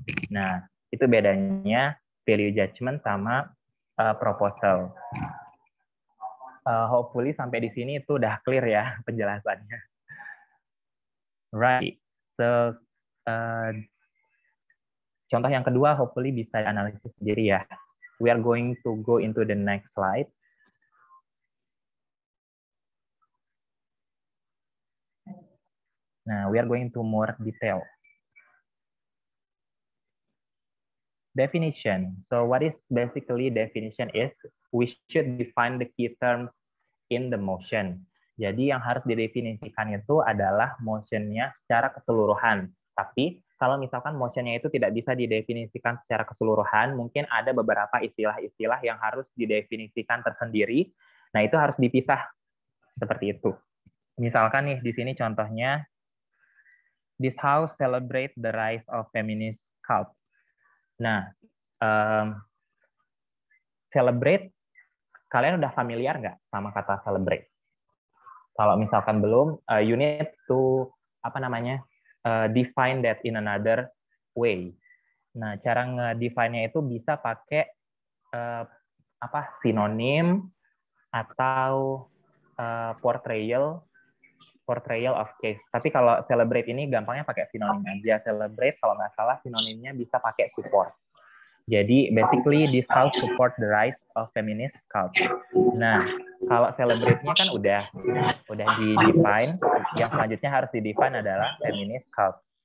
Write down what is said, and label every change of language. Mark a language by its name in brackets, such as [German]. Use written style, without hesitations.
[Indonesian] Nah, itu bedanya value judgment sama proposal. [English] Hopefully [Indonesian] sampai di sini itu udah [English] clear [Indonesian] ya penjelasannya. [English] Right. [Indonesian] So, contoh yang kedua hopefully bisa analisis sendiri ya. [English] We are going to go into the next slide. [Indonesian] Nah, [English] we are going to more detail. Definition. So what is basically definition is we should define the key terms in the motion. [Indonesian] Jadi yang harus didefinisikan itu adalah motionnya secara keseluruhan. Tapi kalau misalkan motionnya itu tidak bisa didefinisikan secara keseluruhan, mungkin ada beberapa istilah-istilah yang harus didefinisikan tersendiri. Nah, itu harus dipisah seperti itu. Misalkan nih di sini contohnya, [English] this house celebrate the rise of feminist cult. [Indonesian] Nah, celebrate, kalian udah familiar nggak sama kata celebrate? Kalau misalkan belum, [English] you need to define that in another way. [Indonesian] Nah, cara nge-define-nya itu bisa pakai sinonim atau [English] portrayal of case. [Indonesian] Tapi kalau celebrate ini gampangnya pakai sinonim aja. Celebrate kalau nggak salah sinonimnya bisa pakai support. Jadi [English] basically this house support the rise of feminist cult. [Indonesian] Nah, kalau celebrate-nya kan udah di-define, yang selanjutnya harus di-define adalah feminist cult.